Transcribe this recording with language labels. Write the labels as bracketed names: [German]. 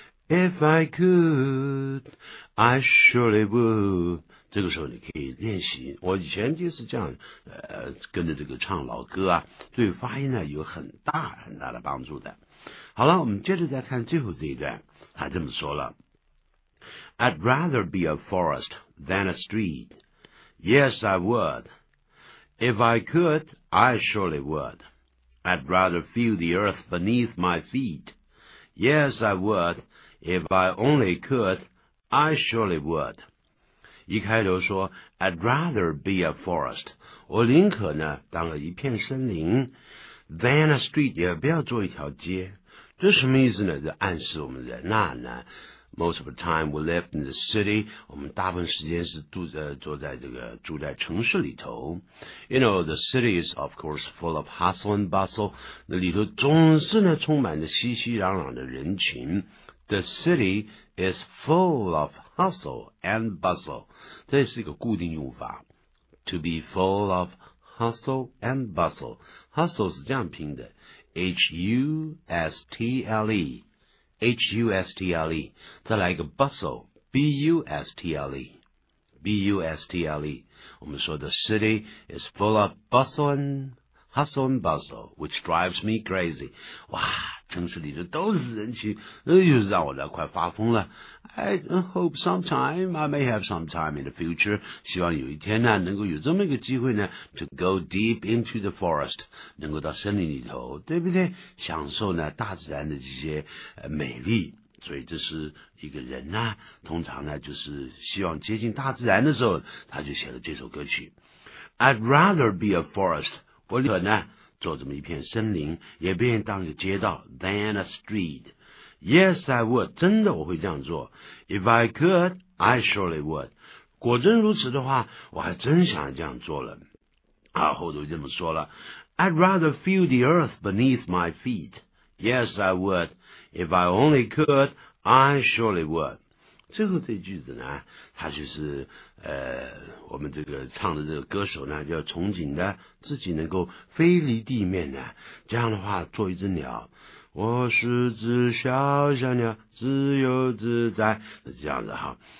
[Chinese] If I could I surely would 这个时候你可以练习我以前就是这样跟着这个唱老歌啊对发音呢有很大很大的帮助的好了我们接着再看最后这一段他这么说了 I'd rather be a forest than a street. [English] Yes, I would. If I could, I surely would. I'd rather feel the earth beneath my feet. Yes, I would. If I only could, I surely would. [Chinese] 一开头说 I'd rather be a forest. 我宁可呢当了一片森林 than a street 也不要做一条街。这什么意思呢？这暗示我们人呐。 [English] Most of the time we live in the city. [Chinese] 我们大部分时间是住在住在城市里头。 [English] You know, the city is of course full of hustle and bustle. [Chinese] 那里头总是呢充满着熙熙攘攘的人群。 [English] The city is full of hustle and bustle. [Chinese] 这是一个固定用法。 [English] To be full of hustle and bustle. [Chinese] Hustle 是这样拼的。 [English] H-U-S-T-L-E. H-U-S-T-L-E, 再来一个 bustle, B-U-S-T-L-E, B-U-S-T-L-E. 我们说 the city is full of bustle and hustle and bustle, which drives me crazy. [Chinese] 哇，城市里的都是人群，又是让我的快发疯了。 [English] I hope sometime, I may have some time in the future, 希望有一天呢，能够有这么一个机会呢 to go deep into the forest, 能够到森林里头，对不对？ [Chinese] 享受呢大自然的这些美丽。所以这是一个人呢，通常呢就是希望接近大自然的时候，他就写了这首歌曲。 I'd rather be a forest, 我宁可呢做这么一片森林，也不愿意当一个街道 than a street. Yes, I would. 真的我会这样做。 [English] If I could, I surely would. [Chinese] 果真如此的话，我还真想这样做了。啊，后头这么说了。 [English] I'd rather feel the earth beneath my feet. Yes, I would. If I only could, I surely would. [Chinese] 最后这句子呢，他就是我们这个唱的这个歌手呢，要憧憬的自己能够飞离地面呢。这样的话，做一只鸟，我是只小小鸟，自由自在，是这样子哈。